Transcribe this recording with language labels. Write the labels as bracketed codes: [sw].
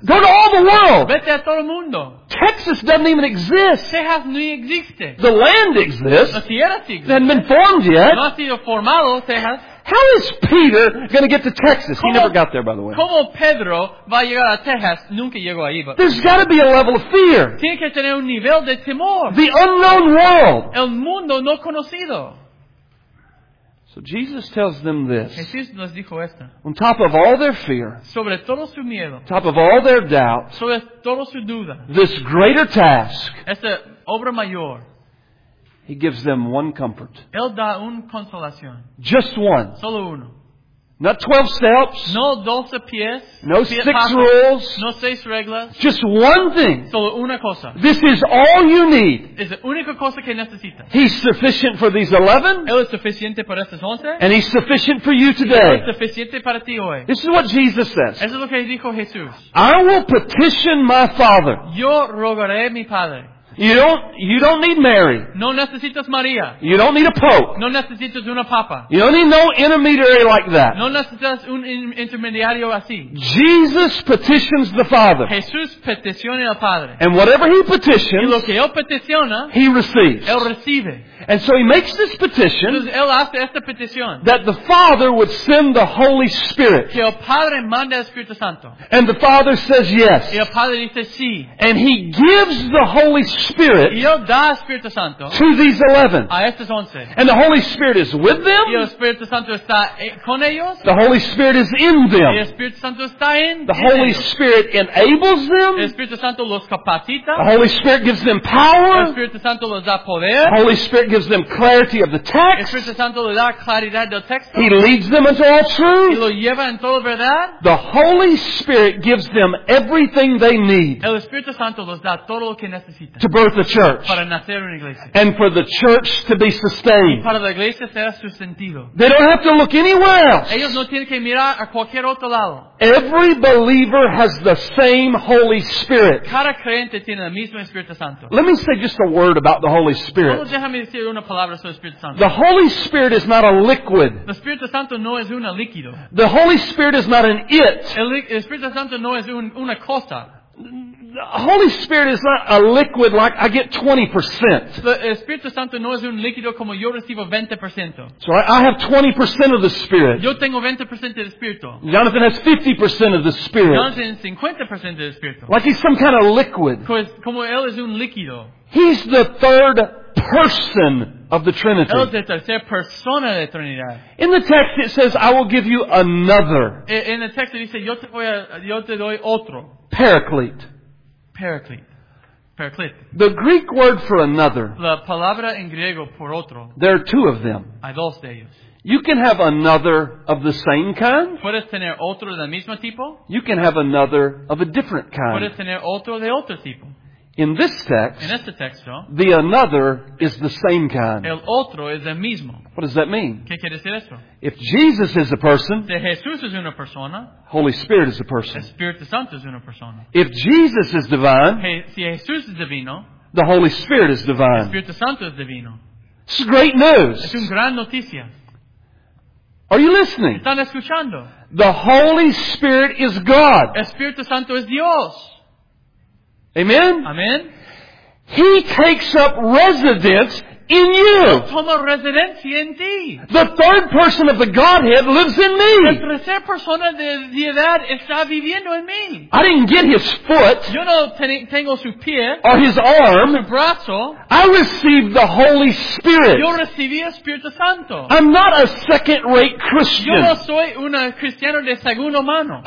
[en] Go to all the world. [es] Vete a todo el mundo. [en] Texas doesn't even exist. [es] Texas ni existe. [en] The land exists. [es] La tierra sí existe. [en] It hasn't been formed yet. [es] No ha sido formado, Texas. [en] How is Peter going to get to Texas? He never got there, by the way. [es] ¿Cómo Pedro va a llegar a Texas? Nunca llegó ahí. [en] There's got to be a level of fear. [es] Tiene que tener un nivel de temor. [en] The unknown world. [es] El mundo no conocido. [en] So Jesus tells them this. [es] Jesús les dijo esto. [en] On top of all their fear. [es] Sobre todo su miedo. [en] Top of all their doubt. [es] Sobre todo su duda. [en] This greater task. [es] Esta obra mayor. [en] He gives them one comfort. [es] Él da una consolación. [en] Just one. [es] Solo uno. [en] Not 12 steps. [es] No 12 pies. [en] No 6 rules. [es] No 6 reglas. [en] Just one thing. [es] Solo una cosa. [en] This is all you need. [es] Es la única cosa que necesitas. [en] He's sufficient for these 11. [es] Él es suficiente para estos 11. [en] And he's sufficient for you today. [es] Él es suficiente para ti hoy. [en] This is what Jesus says. [es] Eso es lo que dijo Jesús. [en] I will petition my Father. [es] Yo rogaré a mi Padre. [en] You don't need Mary. [es] No necesitas María. [en] You don't need a pope. [es] No necesitas una papa. [en] You don't need no intermediary like that. [es] No necesitas un intermediario así. [en] Jesus petitions the Father. [es] Jesús peticiona al Padre. [en] And whatever he petitions, [es] y lo que él peticiona, [en] he receives. [es] Él recibe. [en] And so he makes this petition. [es] Entonces, él hace esta petición. [en] That the Father would send the Holy Spirit. [es] Que el Padre manda el Espíritu Santo. [en] And the Father says yes. [es] Y el Padre dice sí. [en] And he gives the Holy Spirit. Spirit [es] y Él da Espíritu Santo [en] to these 11. [es] A estos 11. [en] And the Holy Spirit is with them. [es] Y el Espíritu Santo está con ellos. [en] The Holy Spirit is in them. [es] Y el Espíritu Santo está en [en] the Holy [es] ellos. [en] Spirit enables them. [es] El Espíritu Santo los capacita. [en] The Holy Spirit gives them power. [es] El Espíritu Santo los da poder. [en] The Holy Spirit gives them clarity of the text. [es] El Espíritu Santo les da claridad del texto. [en] He leads them into all truth. [es] Y lo lleva en toda verdad. [en] The Holy Spirit gives them everything they need. [es] El Espíritu Santo los da todo lo que necesitan. [en] To birth a church. [es] Para nacer una iglesia. [en] And for the church to be sustained. [es] Y para la iglesia sea sustentado. [en] They don't have to look anywhere else. [es] Ellos no tienen que mirar a cualquier otro lado. [en] Every believer has the same Holy Spirit. [es] Cada creyente tiene el mismo Espíritu Santo. [en] Let me say just a word about the Holy Spirit. [es] Solo déjame decir una palabra sobre el Espíritu Santo. [en] The Holy Spirit is not a liquid. [es] El Espíritu Santo no es un líquido. [en] The Holy Spirit is not an it. [es] El Espíritu Santo no es una cosa. [en] The Holy Spirit is not a liquid like I get 20%. [es] The Espíritu Santo no es un líquido como yo recibo 20%. [en] So I have 20% of the Spirit. [es] Yo tengo 20% del Espíritu. [en] Jonathan has 50% of the Spirit. [es] Jonathan 50% del Espíritu. [en] Like he's some kind of liquid. [es] Como él es un líquido. [en] He's the third person of the Trinity. [es] Él es la tercera persona de la Trinidad. [en] In the text it says, I will give you another. [es] En el texto dice, yo te doy otro. [en] Paraclete. [es] Paraclete. [en] The Greek word for another. [es] La palabra en griego por otro. [en] There are two of them. [es] Hay dos de ellos. [en] You can have another of the same kind. [es] Puedes tener otro del mismo tipo. [en] You can have another of a different kind. [es] Puedes tener otro de otro tipo. [en] In this text, [es] en este texto, [en] the another is the same kind. [es] El otro es el mismo. [en] What does that mean? [es] ¿Qué quiere decir eso? [en] If Jesus is a person, [es] si Jesús es una persona, [en] Holy Spirit is a person. [es] El Espíritu Santo es una persona. [en] If Jesus is divine, [es] si Jesús es divino, [en] the Holy Spirit is divine. [es] El Espíritu Santo es divino. [en] It's great news. [es] Es una gran noticia. [en] Are you listening? [es] ¿Están escuchando? [en] The Holy Spirit is God. [es] El Espíritu Santo es Dios. [en] Amen? [es] Amen. [en] He takes up residence in you. [es] Toma residencia en ti. [en] The third person of the Godhead lives in me. [es] La tercera persona de Deidad está viviendo en mí. [en] I didn't get his foot. [es] Yo no tengo su pie. [en] Or his arm. [es] Su brazo. [en] I received the Holy Spirit. [es] Yo recibí el Espíritu Santo. [en] I'm not a second-rate Christian. [es] Yo no soy un cristiano de segunda mano.